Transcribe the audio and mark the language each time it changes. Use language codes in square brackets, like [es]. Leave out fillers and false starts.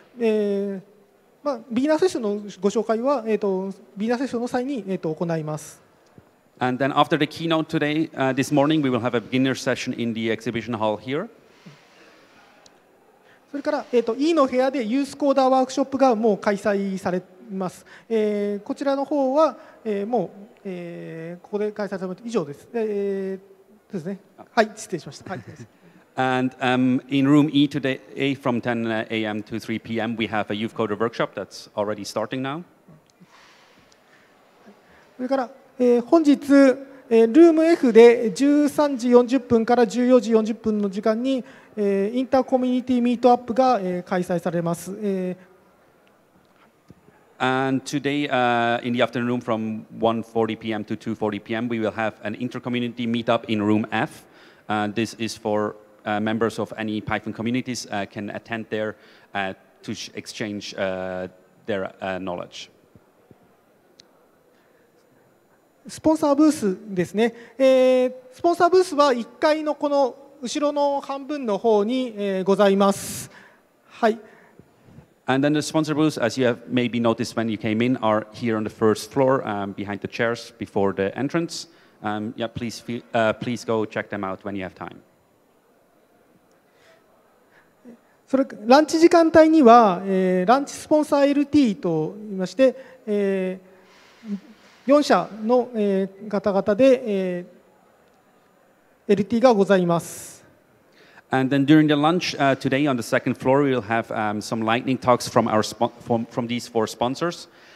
[ja] ビギナーセッションのご紹介は、ビギナーセッションの際に、行います。 [en] And then after the keynote today, this morning, we will have a beginner session in the exhibition hall here. [ja] それから、E の部屋でユースコーダーワークショップがもう開催されます。こちらの方は、もう、ここで開催されます。以上です。ですね。はい、失礼しました。はい、 [en] And in room E today, A from 10 a.m. to 3 p.m., we have a youth coder workshop that's already starting now. [ja] それから、本日、ルーム F で13時40分から14時40分の時間に、インターコミュニティミートアップが開催されます。 [en] And today, in the afternoon from 1:40 p.m. to 2:40 p.m., we will have an inter-community meetup in room F. This is for members of any Python communities can attend there to exchange their knowledge. [ja] スポンサーブースですね、スポンサーブースは1階のこの後ろの半分の方に、ございます。はい。 [en] And then the sponsor booths, as you have maybe noticed when you came in, are here on the first floor, behind the chairs before the entrance. Yeah, please go check them out when you have time. [ja] それランチ時間帯には、ランチスポンサー LT と言いまして、4社の方々で LT がございます。 [en] And then during the lunch today on the second floor, we will have some lightning talks from these four sponsors.